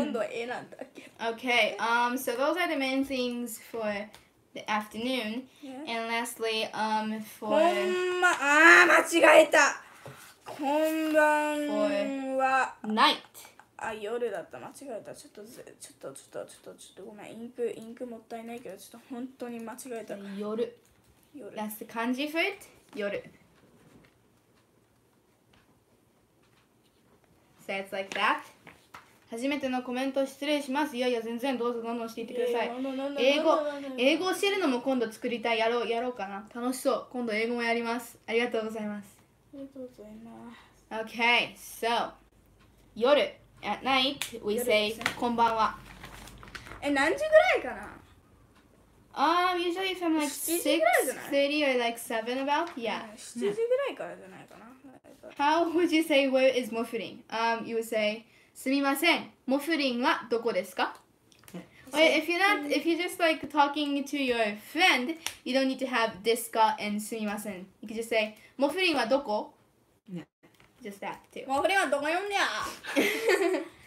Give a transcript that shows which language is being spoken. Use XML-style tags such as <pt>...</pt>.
<en>Okay, so those are the main things for... The afternoon,、yeah. and lastly, for...</en> <ja>こんばん、あー、間違えた。こんばんは。</ja> <en>Night.</en> <ja>あ、夜だった。間違えた。ちょっと、ごめん。インクもったいないけど、ちょっと本当に間違えた。</ja> <en>夜。That's the kanji for it. 夜。 So it's like that.</en> <ja>初めてのコメント失礼します。いやいや全然どうぞどんどんしていってください。英語を知るのも今度作りたい。やろうかな。楽しそう。今度英語もやります。ありがとうございます。ありがとうございます。</ja> <en>Okay, so 夜 at night we say</en> <ja>こんばんは。え何時ぐらいかな。</ja> <en>Usually from like 6:30 or like 7 about. Yeah.</en> <ja>7時ぐらいからじゃないかな。</ja> <en>How would you say where is muffling? You would say.</en> <ja>すみません、モフリンはどこですか?</ja> <en>Or if you're not, if you're just like talking to your friend, you don't need to have</en> <ja>ですか</ja> <en>and</en> <ja>すみません.</ja> <en>You can just say,</en> <ja>モフリンはどこ?</ja> <en>Just that too.</en> <ja>モフリンはどこよんにゃ?</ja>